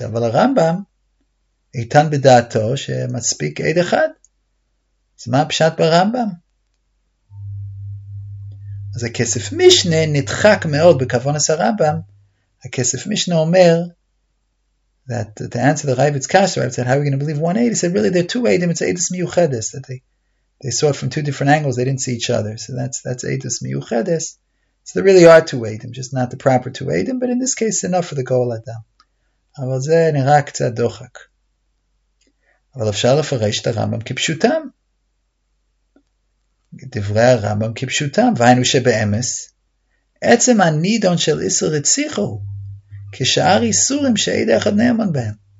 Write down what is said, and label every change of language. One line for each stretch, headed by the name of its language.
Hebrew: Aval ha-rambam איתן בדעתו שמספיק עד אחד. אז מה פשט ברמב״ם? אז הכסף משנה נדחק מאוד בכוון עשה רמב״ם. הכסף משנה אומר
English: that the answer to the Raivitz Kasha, the Raivitz said, how are we going to believe one aid? He said, really, there are two aidim, it's aidus miyuchedes, that they saw it from two different angles, they didn't see each other. So that's aidus miyuchedes. So there really are two aidim, just not the proper two aidim, but in this case, enough for the goal adam.
Hebrew: אבל זה נראה קצת דוחק. אבל אפשר לפרש את הרמב״ם כפשוטם. דברי הרמב״ם כפשוטם. והיינו שבאמס, עצם הנידון של איסור רציחו, כשאר איסורים שעד אחד נאמן בהם.